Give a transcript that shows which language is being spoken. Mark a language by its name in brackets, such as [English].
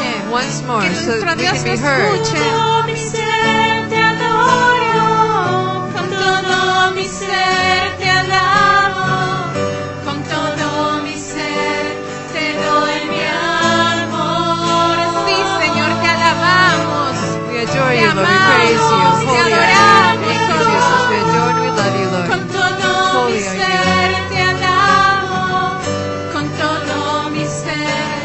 [English] Once more, so that we can be heard. [Spanish] Con todo mi ser te adoro, con todo mi ser te alabo, con todo mi ser te doy mi amor. Sí, Señor, te alabamos. [English] We adore you, Lord. We praise you. Holy are you. We adore you, Jesus. We adore you. We love you, Lord. [Spanish] Con todo mi ser te alabo, con todo mi ser.